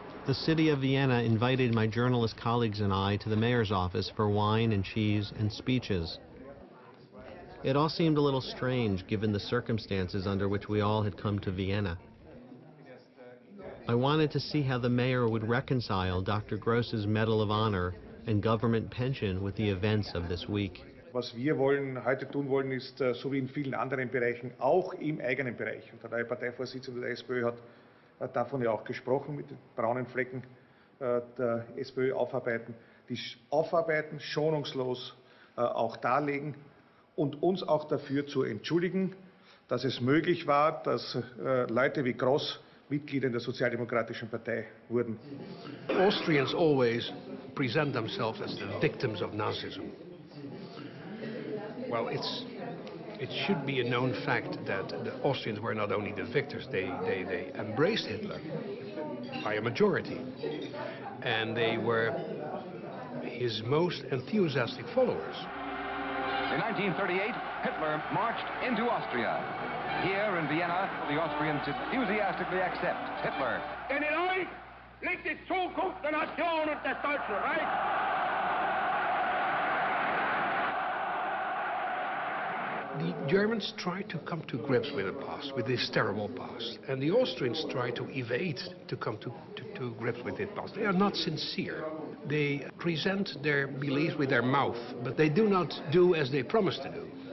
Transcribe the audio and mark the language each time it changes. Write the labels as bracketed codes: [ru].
[en] The city of Vienna invited my journalist colleagues and I to the mayor's office for wine and cheese and speeches. It all seemed a little strange given the circumstances under which we all had come to Vienna. I wanted to see how the mayor would reconcile Dr. Gross's Medal of Honor and government pension with the events of this week. [de] Was wir wollen heute tun wollen ist, so wie in vielen anderen Bereichen, auch im eigenen Bereich. Und der Parteivorsitzende der SPÖ hat davon ja auch gesprochen, mit den braunen Flecken der SPÖ aufarbeiten. Die aufarbeiten, schonungslos auch darlegen und uns auch dafür zu entschuldigen, dass es möglich war, dass Leute wie Gross Mitglieder in der Sozialdemokratischen Partei wurden. [en] Austrians always present themselves as the victims of Nazism. Well, it should be a known fact that the Austrians were not only the victors, they embraced Hitler by a majority. And they were his most enthusiastic followers. In 1938, Hitler marched into Austria. Here in Vienna, the Austrians enthusiastically accept Hitler. [de] Denn in euch liegt die Zukunft der Nation und des Deutschen Reichs. [en] The Germans try to come to grips with the past, with this terrible past. And the Austrians try to evade to come to grips with that past. They are not sincere. They present their beliefs with their mouth, but they do not do as they promised to do.